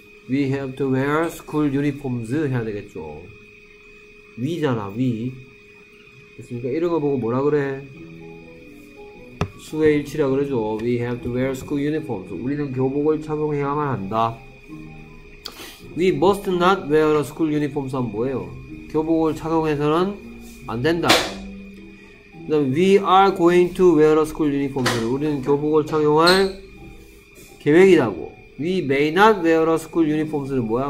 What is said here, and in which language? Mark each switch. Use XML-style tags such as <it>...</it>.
<en>We have to wear school uniforms</en> <ko>해야 되겠죠.</ko> <en>We잖아, we.</en> <ko>됐습니까? 이런 거 보고 뭐라 그래? 수의 일치라 그러죠.</ko> <en>We have to wear school uniforms.</en> <ko>우리는 교복을 착용해야만 한다.</ko> <en>We must not wear a school uniforms</en> <ko>하면 뭐예요? 교복을 착용해서는 안 된다. 그 다음,</ko> <en>we are going to wear a school uniforms.</en> <ko>우리는 교복을 착용할 계획이라고.</ko> <en>We may not wear a school uniforms</en> <ko>는 뭐야?</ko>